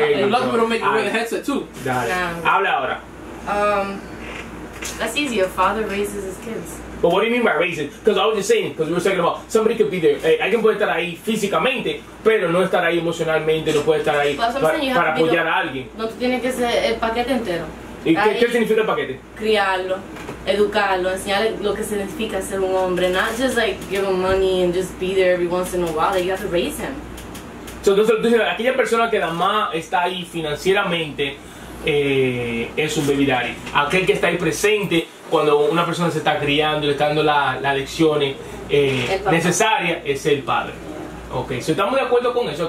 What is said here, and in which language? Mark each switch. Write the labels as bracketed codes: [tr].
[en] Love me to make you wear the headset too. [es] Dale. Habla ahora. [en] That's easy. A father raises his kids. But what do you mean by raising? Because I was just saying, because we were talking about somebody could be there. [es] Hey, alguien puede estar ahí físicamente, pero no estar ahí emocionalmente, no puede estar ahí para apoyar a alguien. No tiene que ser el paquete entero. ¿Y qué significa el paquete? Criarlo, educarlo, enseñarle lo que significa ser un hombre. [en] Not just like give him money and just be there every once in a while. You have to raise him. [es] So, entonces, aquella persona que la más está ahí financieramente es un baby daddy. Aquel que está ahí presente. Cuando una persona se está criando, le está dando las lecciones necesarias, es el padre. Ok, so, ¿estamos de acuerdo con eso?